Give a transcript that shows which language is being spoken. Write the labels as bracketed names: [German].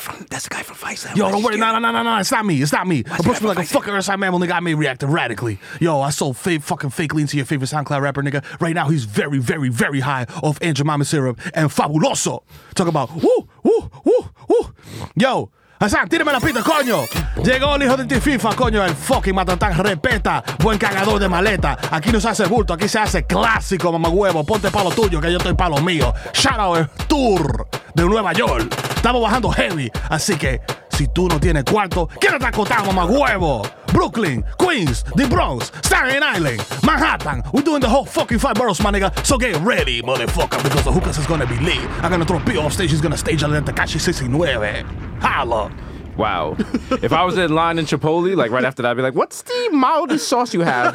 [English] That's the guy from Vice. Yo, don't worry. No. It's not me. Approach me like a fucking Earth Sign Mammal, nigga. I may react erratically. Yo, I sold fake lean to your favorite SoundCloud rapper, nigga. Right now, he's very, very, very high off Angel Mama Syrup and Fabuloso. Talk about woo, woo, woo, woo. [Spanish] Yo. Hassan, tíreme la pita, coño. Llegó el hijo de ti FIFA, coño. El fucking matatán, respeta. Buen cagador de maleta. Aquí no se hace bulto, aquí se hace clásico, mamagüevo. Ponte pa' lo tuyo, que yo estoy pa' lo mío. [English] Shout out [Spanish] el tour de Nueva York. Estamos bajando heavy. Así que, si tú no tienes cuarto, quédate acotado, mamagüevo. [English] Brooklyn, Queens, The Bronx, Staten Island, Manhattan. We're doing the whole fucking five boroughs, my nigga. So get ready, motherfucker, because the hookahs is gonna be lit. I'm gonna throw P.O. offstage. He's gonna stage a little Tekashi 69. Holla. Wow. If I was in line in Chipotle, like right after that, I'd be like, what's the mildest sauce you have?